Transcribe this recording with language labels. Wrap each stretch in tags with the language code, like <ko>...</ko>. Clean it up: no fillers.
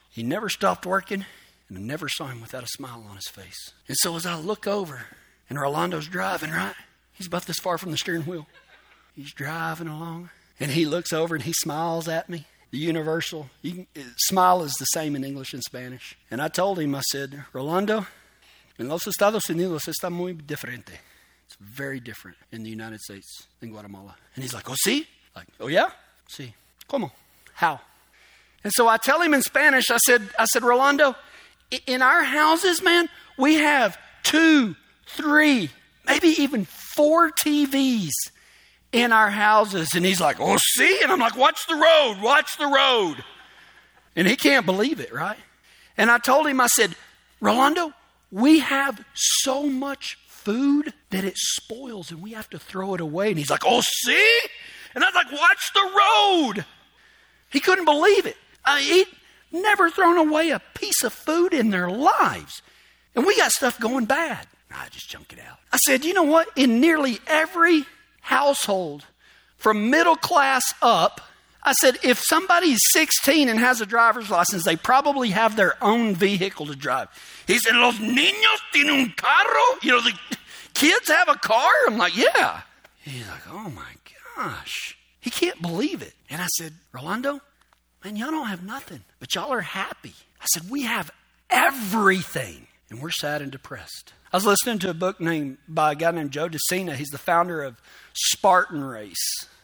<en>He never stopped working, and I never saw him without a smile on his face. And so as I look over and Rolando's driving, right? He's about this far from the steering wheel. He's driving along. And he looks over and he smiles at me. The universal. Smile is the same in English and Spanish. And I told him, I said,</en> <es>Rolando, en los Estados Unidos está muy diferente.</es> <en>It's very different in the United States than Guatemala. And he's like, oh,</en> <es>sí?</es> <en>Like, oh, yeah?</en> <es>Sí. ¿Cómo?</es> <en>How? And so I tell him in Spanish, I said, Rolando, in our houses, man, we have 2, 3, maybe even 4 TVs in our houses. And he's like, oh, see? And I'm like, watch the road, watch the road. And he can't believe it, right? And I told him, I said, Rolando, we have so much food that it spoils and we have to throw it away. And he's like, oh, see? And I was like, watch the road. He couldn't believe it. He'd never thrown away a piece of food in their lives. And we got stuff going bad. I just junk it out. I said, you know what? In nearly every household from middle class up, I said, if somebody's 16 and has a driver's license, they probably have their own vehicle to drive. He said,</en> <es>los niños tienen un carro?</es> <en>You know, the kids have a car? I'm like, yeah. He's like, oh my gosh. He can't believe it. And I said, Rolando, man, y'all don't have nothing, but y'all are happy. I said, we have everything. And we're sad and depressed. I was listening to a book by a guy named Joe DeSena. He's the founder of Spartan Race.</en>